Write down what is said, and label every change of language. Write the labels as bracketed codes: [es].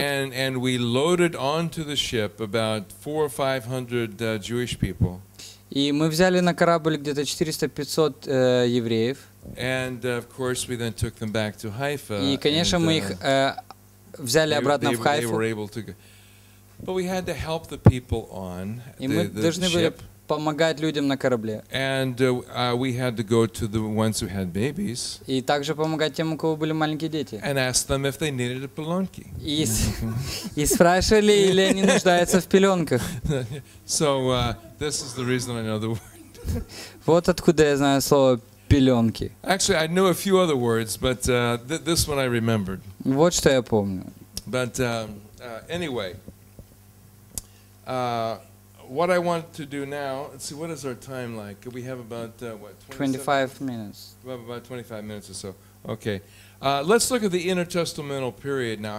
[en] And we loaded onto the ship about 400 or 500 Jewish people. [ru] И мы взяли на корабль где-то 400-500 евреев. [en] And of course we then took them back to Haifa. [ru] И, конечно, мы их взяли обратно в Хайфу. [en] They were able to go. But we had to help the people on the ship. [ru] И мы должны были помогать людям на корабле. [en] And we had to go to the ones who had babies. [ru] И также помогать тем, у кого были маленькие дети. [en] And ask them if they needed a pelonki. [ru] И спрашивали, или они нуждаются в пеленках. [en] So this is the reason I know the word. [ru] Вот откуда я знаю слово пеленки. [en] Actually, I knew a few other words, but this one I remembered. [ru] Вот что я помню. [en] But anyway. What I want to do now, let's see, what is our time like? We have about, 25 minutes. We have about 25 minutes or so. Okay. Let's look at the intertestamental period now.